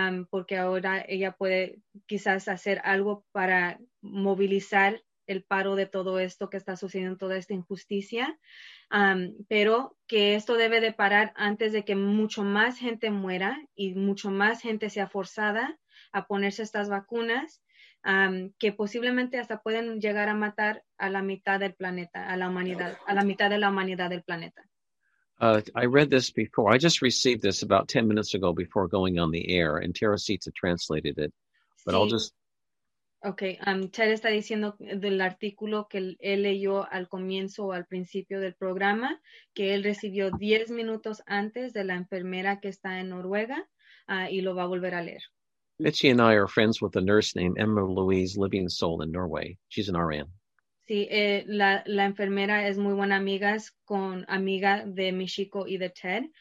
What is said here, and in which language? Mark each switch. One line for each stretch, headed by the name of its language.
Spanish: Porque ahora ella puede quizás hacer algo para movilizar el paro de todo esto que está sucediendo, toda esta injusticia, pero que esto debe de parar antes de que mucho más gente muera y mucho más gente sea forzada a ponerse estas vacunas, que posiblemente hasta pueden llegar a matar a la mitad del planeta, a la humanidad, a la mitad de la humanidad del planeta.
English: I read this before. I just received this about 10 minutes ago before going on the air, and Tara Sita translated it. But sí. I'll just...
Spanish: Okay, Ted está diciendo del artículo que él leyó al comienzo o al principio del programa, que él recibió 10 minutos antes de la enfermera que está en Noruega, y lo va a volver a leer.
English: Mitchie and I are friends with a nurse named Emma Louise Living Soul in Norway. She's an RN.
Spanish: Sí, la enfermera es muy buena amiga de mi chico y de Ted.